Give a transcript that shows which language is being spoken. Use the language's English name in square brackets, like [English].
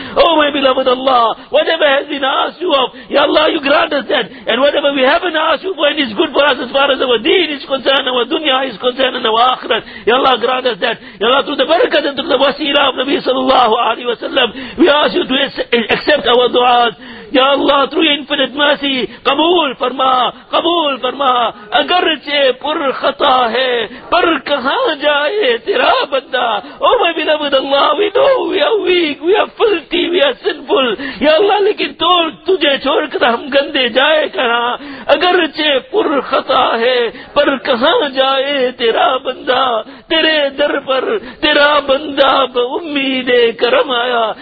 [English] Oh, my beloved Allah, whatever has been asked you of, Ya Allah, you grant us that. And whatever we haven't asked you for, it is good for us as far as our deen is concerned, our dunya is concerned, and our akhirat. Ya Allah, grant us that. Ya Allah, through the barakat and through the wasira of Nabi sallallahu alayhi wa sallam, we ask you to accept our du'as. Ya Allah, through your infinite mercy, [Urdu] قبول فرما قبول فرما اگرچہ پر خطا ہے پر کہاں جائے تیرا بندہ. [English] Oh my beloved Allah, we know we are weak, we are filthy, we are sinful. [Urdu] Ya Allah, لیکن تو تجھے چھوڑ کر ہم گندے جائے کہاں. اگرچہ پر خطا ہے پر کہاں جائے تیرا بندہ تیرے در پر تیرا بندہ امید کرم آیا.